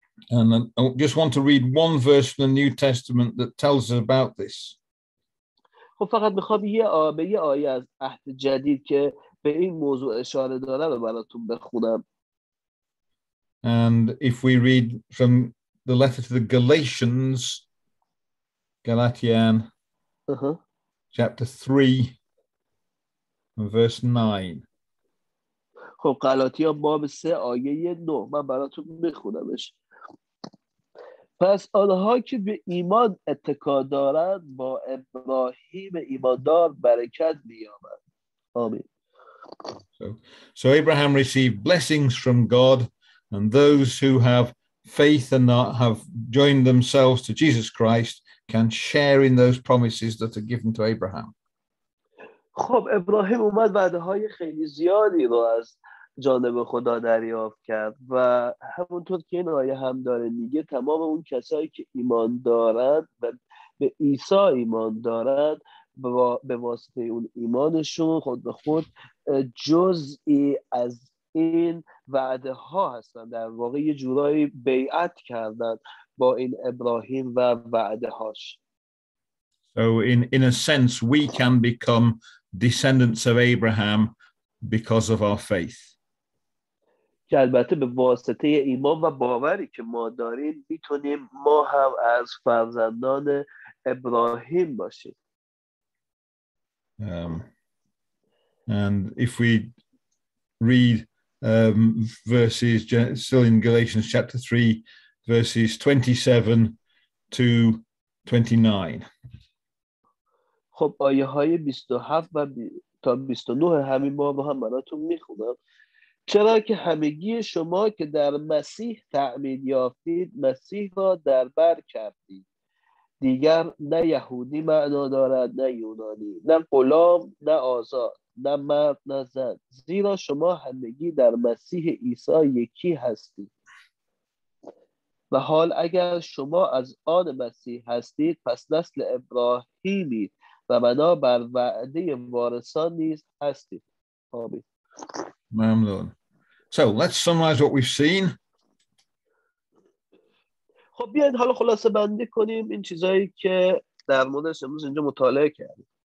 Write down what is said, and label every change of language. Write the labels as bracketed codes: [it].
[en] And I just want to read one verse from the New Testament that tells us about this. [fa] خب فقط میخوام یه آیه از عهد جدید که به این موضوع اشاره داره رو براتون بخونم. [en] And if we read from the letter to the Galatians, Galatians chapter 3 verse 9. [fa] خب غلاطیان باب 3 آیه 9 من براتون میخونمش. پس آنها که به ایمان اتکا دارند با ابراهیم ایماندار برکت می‌یابند. آمین. [en] So Abraham received blessings from God and those who have faith and have joined themselves to Jesus Christ can share in those promises that are given to Abraham. [fa] خب ابراهیم اومد وعده‌های خیلی زیادی رو از جانب خدا دریافت کرد و همونطور که این آیه هم داره میگه تمام اون کسایی که ایمان دارند و به عیسی ایمان دارند به واسطه اون ایمانشون خود به خود جزئی از این وعده ها هستند. در واقع یه جورایی بیعت کردند با این ابراهیم و وعده هاش. [en] So in a sense we can become descendants of Abraham because of our faith. [fa] که البته به واسطه ایمان و باوری که ما داریم میتونیم ما هم از فرزندان ابراهیم باشید. [en] And if we read verses still in Galatians chapter 3, verses 27 to 29. [fa] خب آیه های 27 و تا 29 همین باب هم براتون میخونم. چرا که همگی شما که در مسیح تعمید یافتید مسیح را در بر کردید. دیگر نه یهودی معنا دارد نه یونانی، نه غلام نه آزاد، نه مرد نه زن، زیرا شما همگی در مسیح عیسی یکی هستید. و حال اگر شما از آن مسیح هستید پس نسل ابراهیمید و بنابر وعده وارثان نیز هستید. آمین. ممنون. [en] So let's summarize what we've seen. [fa] خب بیاید حالا خلاصه بندی کنیم این چیزایی که در موردش امروز اینجا مطالعه کردیم.